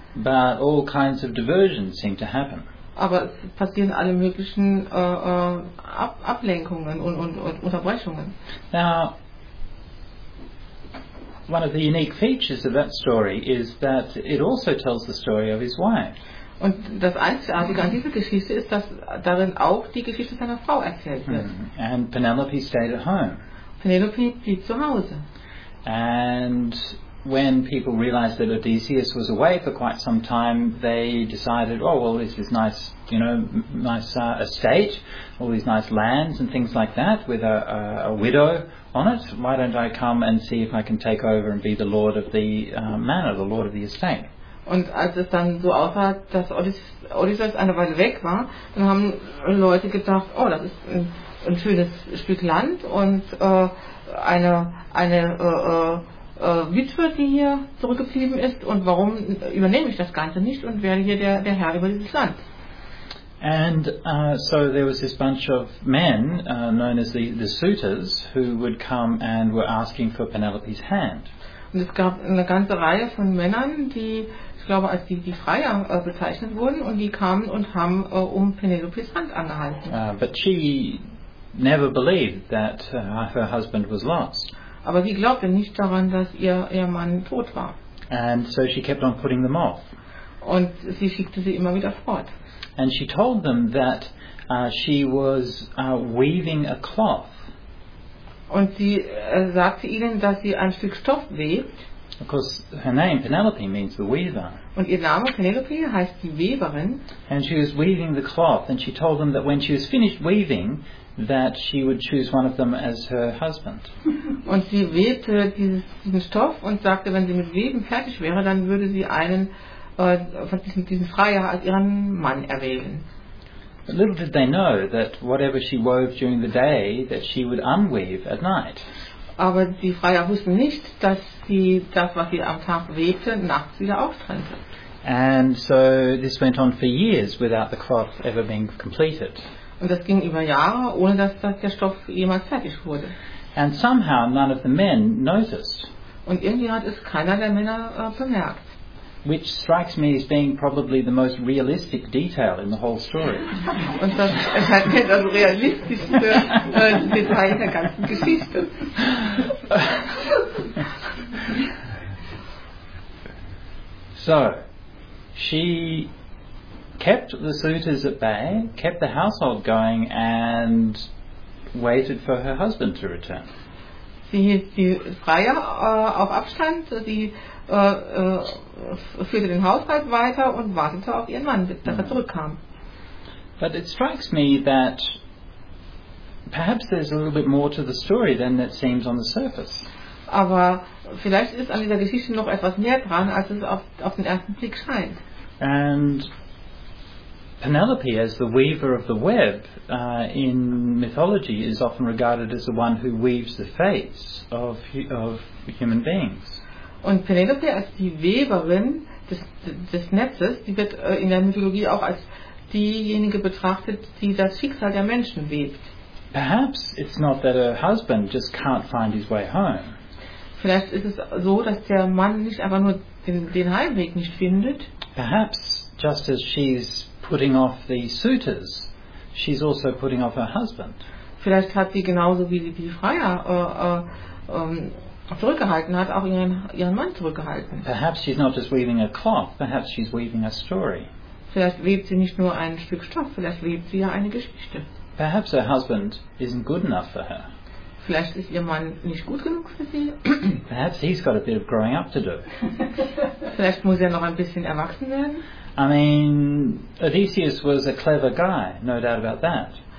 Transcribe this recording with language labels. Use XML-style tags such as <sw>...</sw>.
<en>But all kinds of diversions seem to happen.</en> <de>Aber es passieren alle möglichen Ablenkungen und Unterbrechungen.</de> <en>Now, one of the unique features of that story is that it also tells the story of his wife.</en> <de>Und das Einzigartige an dieser Geschichte ist, dass darin auch die Geschichte seiner Frau erzählt wird.</de> <en>Mm-hmm. And Penelope stayed at home.</en> <de>Penelope blieb zu Hause.</de> <en>And when people realized that Odysseus was away for quite some time, they decided, oh, well, this is nice, you know, nice estate, all these nice lands and things like that with a widow on it. Why don't I come and see if I can take over and be the lord of the manor, the lord of the estate?</en> <de>Und als es dann so aussah, dass Odysseus eine Weile weg war, dann haben Leute gedacht, oh, das ist ein schönes Stück Land und eine Witwe, die hier zurückgeblieben ist und warum übernehme ich das Ganze nicht und werde hier der Herr über dieses Land.</de> <en>And so there was this bunch of men known as the suitors who would come and were asking for Penelope's hand.</en> <de>Und es gab eine ganze Reihe von Männern, die ich glaube als die Freier bezeichnet wurden und die kamen und haben um Penelope's Hand angehalten.</de> <en>But she never believed that her husband was lost.</en> <de>Aber sie glaubte nicht daran, dass ihr Mann tot war.</de> <en>And so she kept on putting them off.</en> <de>Und sie schickte sie immer wieder fort.</de> <en>And she told them that she was weaving a cloth.</en> <de>Und sie sagte ihnen, dass sie ein Stück Stoff webt.</de> <en>Of course, her name Penelope means the weaver.</en> <de>Und ihr Name Penelope heißt die Weberin.</de> <en>And she was weaving the cloth, and she told them that when she was finished weaving, that she would choose one of them as her husband.</en> <de>Und sie webte diesen Stoff und sagte, wenn sie mit Weben fertig wäre, dann würde sie einen von diesen Freier als ihren Mann erwählen.</de> <en>But little did they know that whatever she wove during the day, that she would unweave at night.</en> <de>Aber die Freier wussten nicht, dass sie das, was sie am Tag webte, nachts wieder auftrennte.</de> <en>And so this went on for years without the cloth ever being completed.</en> <de>Und das ging über Jahre, ohne dass der Stoff jemals fertig wurde.</de> <en>And somehow none of the men noticed.</en> <de>Und irgendwie hat es keiner der Männer bemerkt.</de> <en>Which strikes me as being probably the most realistic detail in the whole story.</en> <de>Und das erscheint mir das realistischste Detail der ganzen Geschichte.</de> <en>So, she kept the suitors at bay, kept the household going, and waited for her husband to return.</en> <de>Sie hielt die Freier auf Abstand, sie führte den Haushalt weiter und wartete auf ihren Mann, dass er zurückkam.</de> <en>But it strikes me that perhaps there's a little bit more to the story than it seems on the surface.</en> <de>Aber vielleicht ist an dieser Geschichte noch etwas mehr dran, als es auf den ersten Blick scheint.</de> <en>And Penelope, as the weaver of the web in mythology, is often regarded as the one who weaves the fates of human beings.</en> <de>Und Penelope als die Weberin des Netzes, die wird in der Mythologie auch als diejenige betrachtet, die das Schicksal der Menschen webt.</de> <en>Perhaps it's not that her husband just can't find his way home.</en> <de>Vielleicht ist es so, dass der Mann nicht einfach nur den Heimweg nicht findet.</de> <en>Perhaps just as she's putting off the suitors, she's also putting off her husband.</en> <de>Vielleicht hat sie genauso wie sie die Freier zurückgehalten hat, auch ihren Mann zurückgehalten.</de> <en>Perhaps she's not just weaving a cloth, perhaps she's weaving a story.</en> <de>Vielleicht webt sie nicht nur ein Stück Stoff, vielleicht webt sie ja eine Geschichte.</de> <en>Perhaps her husband isn't good enough for her.</en> <de>Vielleicht ist ihr Mann nicht gut genug für sie.</de> <en>Perhaps he's got a bit of growing up to do.</en> <de>Vielleicht muss er noch ein bisschen erwachsen werden.</de> <en>I mean, Odysseus was a clever guy, no doubt about that.</en>